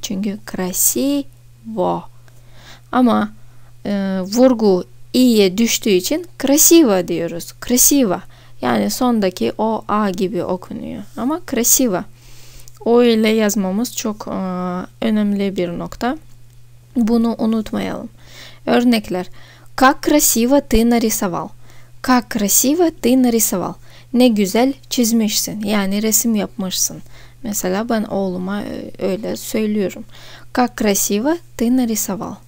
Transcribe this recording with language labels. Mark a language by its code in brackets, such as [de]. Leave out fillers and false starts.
[tr] Çünkü красиво. Ama vurgu i'ye düştüğü için красиво diyoruz. [ru] Красиво. [tr] Yani sondaki o a gibi okunuyor. Ama красиво. O ile yazmamız çok önemli bir nokta. Bunu unutmayalım. Örnekler. [ru] Как красиво ты нарисовал. Как красиво ты нарисовал. [tr] Ne güzel çizmişsin. Yani resim yapmışsın. Mesela ben oğluma öyle söylüyorum. [ru] Как красиво ты нарисовал.